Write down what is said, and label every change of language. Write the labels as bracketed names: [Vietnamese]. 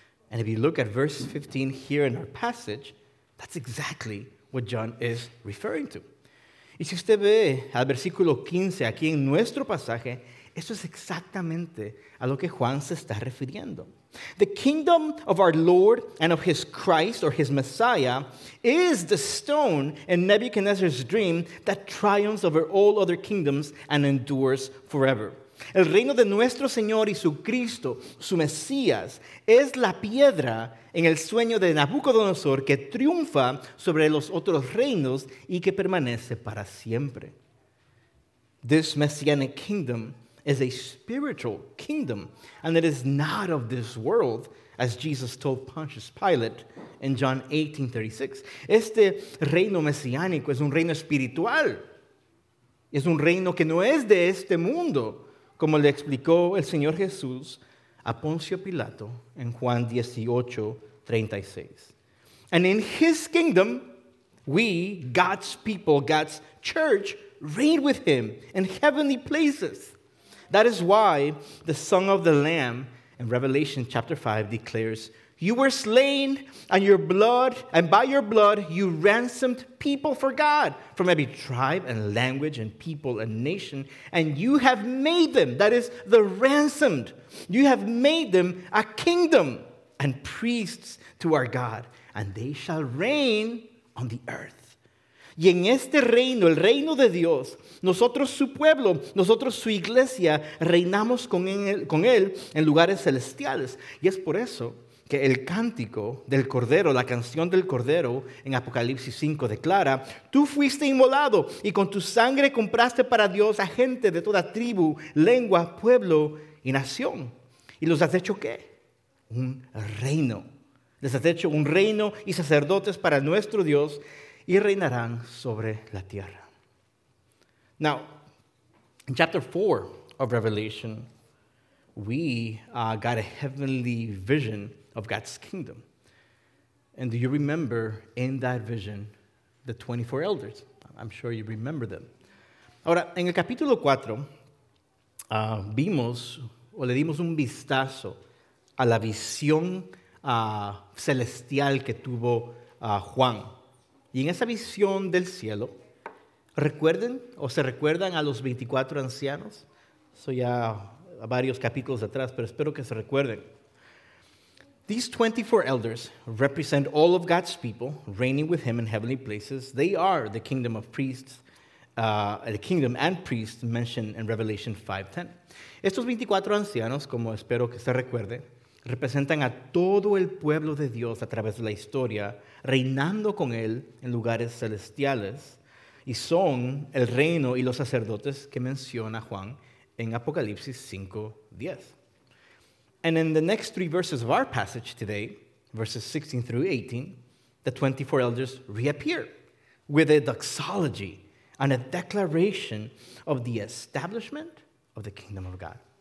[English] And if you look at verse 15 here in our passage, that's exactly what John is referring to. [Spanish] Y si usted ve al versículo 15 aquí en nuestro pasaje, eso es exactamente a lo que Juan se está refiriendo. [English] The kingdom of our Lord and of his Christ or his Messiah is the stone in Nebuchadnezzar's dream that triumphs over all other kingdoms and endures forever. [Spanish] El reino de nuestro Señor y su Cristo, su Mesías, es la piedra en el sueño de Nabucodonosor que triunfa sobre los otros reinos y que permanece para siempre. [English] This messianic kingdom is a spiritual kingdom, and it is not of this world, as Jesus told Pontius Pilate in John 18:36. [Spanish] Este reino mesiánico es un reino espiritual. Es un reino que no es de este mundo, como le explicó el Señor Jesús a Poncio Pilato en Juan 18:36. [English] And in his kingdom, we, God's people, God's church, reign with him in heavenly places. That is why the Song of the Lamb in Revelation chapter 5 declares, You were slain, and by your blood you ransomed people for God from every tribe and language and people and nation. And you have made them, that is, the ransomed, you have made them a kingdom and priests to our God, and they shall reign on the earth. [Spanish] Y en este reino, el reino de Dios, nosotros su pueblo, nosotros su iglesia, reinamos con él en lugares celestiales. Y es por eso que el cántico del Cordero, la canción del Cordero en Apocalipsis 5 declara, tú fuiste inmolado y con tu sangre compraste para Dios a gente de toda tribu, lengua, pueblo y nación. ¿Y los has hecho qué? Un reino. Les has hecho un reino y sacerdotes para nuestro Dios. Y reinarán sobre la tierra. [English] Now, in chapter 4 of Revelation, we got a heavenly vision of God's kingdom. And do you remember in that vision the 24 elders? I'm sure you remember them. [Spanish] Ahora, en el capítulo 4, vimos o le dimos un vistazo a la visión celestial que tuvo Juan. Y en esa visión del cielo, ¿recuerden o se recuerdan a los 24 ancianos? Eso ya a varios capítulos atrás, pero espero que se recuerden. [English] These 24 elders represent all of God's people reigning with him in heavenly places. They are the kingdom of priests, the kingdom and priests mentioned in Revelation 5:10. [Spanish] Estos 24 ancianos, como espero que se recuerden, representan a todo el pueblo de Dios a través de la historia, reinando con él en lugares celestiales, y son el reino y los sacerdotes que menciona Juan en Apocalipsis 5:10. [English] And in the next three verses of our passage today, verses 16 through 18, the 24 elders reappear with a doxology and a declaration of the establishment of the kingdom of God.